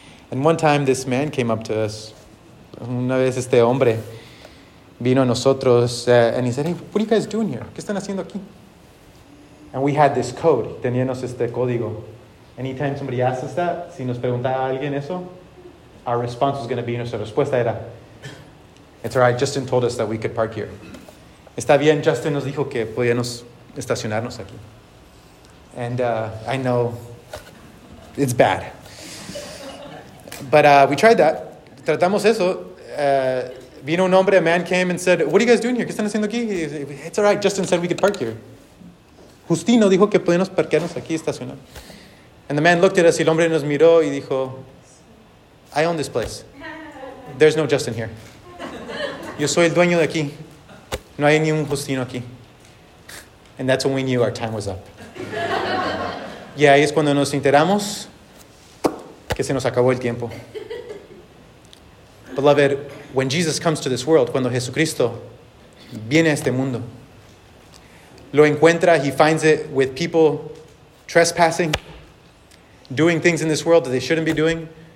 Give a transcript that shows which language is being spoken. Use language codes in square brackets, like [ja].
[en] And one time this man came up to us. [es] Una vez este hombre vino a nosotros, [en] and he said, hey, what are you guys doing here? [es] ¿Qué están haciendo aquí? [en] And we had this code, [es] teníamos este código. [en] Anytime somebody asks that, [es] si nos preguntaba a alguien eso, [en] our response was going to be, [es] nuestra respuesta era, [en] it's all right, Justin told us that we could park here. [es] Está bien, Justin nos dijo que podíamos estacionarnos aquí. [en] And I know it's bad. But we tried that. [es] Tratamos eso. Vino un hombre, [en] a man came and said, what are you guys doing here? [es] ¿Qué están haciendo aquí? [en] It's all right, Justin said we could park here. [es] Justino dijo que podíamos parquearnos aquí, estacionar. [en] And the man looked at us, [es] el hombre nos miró y dijo, [en] I own this place. There's no Justin here. [es] Yo soy el dueño de aquí. No hay ni un Justino aquí. [en] And that's when we knew our time was up. [es] Y ahí es cuando nos enteramos que se nos acabó el tiempo. [en] Beloved, when Jesus comes to this world, [es] cuando Jesucristo viene a este mundo, lo encuentra, [en] he finds it with people trespassing, doing things in this world that they shouldn't be doing.